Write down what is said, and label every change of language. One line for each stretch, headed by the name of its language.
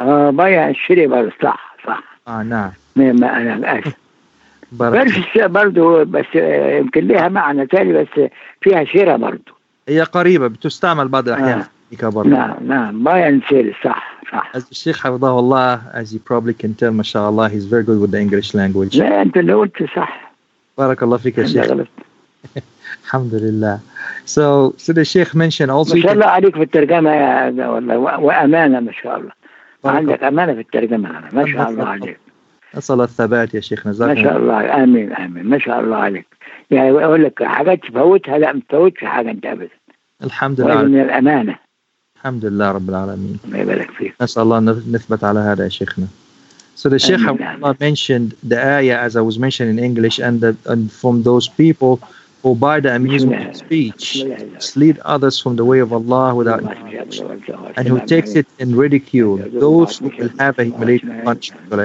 Arabic: بايع الشري بس صح. نعم. ما انا برش برضو بس يمكن لها معنى ثاني بس فيها شراء برضو. هي قريبة بتستعمل بعض الاحيان. نعم بايع الشري صح. الشيخ حفظه الله
English: as you probably can tell
Arabic: ما شاء الله
English: he's very good with the English language.
Arabic: لا انت اللي قلت صح. بارك الله فيك يا شيخ. الحمد لله.
English: So the Sheikh mentioned also.
Arabic: ما شاء الله عليك في الترجمة يا والله وأمانة ما شاء الله. عندك أمانة في الترجمة ما شاء الله عليك. أصل الثبات يا شيخ نزار. ما شاء الله آمين آمين ما شاء الله عليك. يعني أقول لك حاجات تفوتها لا متفوتش حاجة أنت أبدا. الحمد لله. من الأمانة. الحمد لله رب العالمين. ما يبارك فيك. نسأل الله نثبت على هذا يا شيخنا.
English: So the Sheikh mentioned the ayah as I was mentioning in English and from those people who buy the amusement of speech, mislead others from the way of Allah without knowledge, and who takes it in ridicule, those who will have a humiliating punishment.